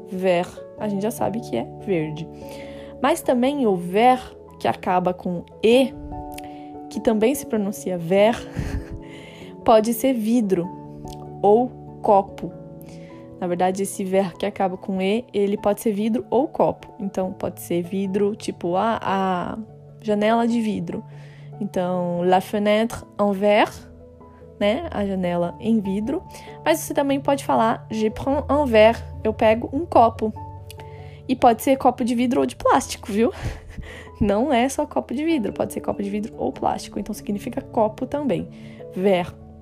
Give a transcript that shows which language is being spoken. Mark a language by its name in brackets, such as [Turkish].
[Portuguese] Ver, a gente já sabe que é verde. Mas também o ver, que acaba com E, que também se pronuncia ver, pode ser vidro ou copo. Na verdade, esse ver que acaba com E, ele pode ser vidro ou copo. Então, pode ser vidro, tipo a janela de vidro. Então, [French] la fenêtre en verre. [Portuguese] Né? A janela em vidro, mas você também pode falar [French] je prends un verre, [Portuguese] eu pego um copo, e pode ser copo de vidro ou de plástico, viu? Não é só copo de vidro, pode ser copo de vidro ou plástico, então significa copo também, verre.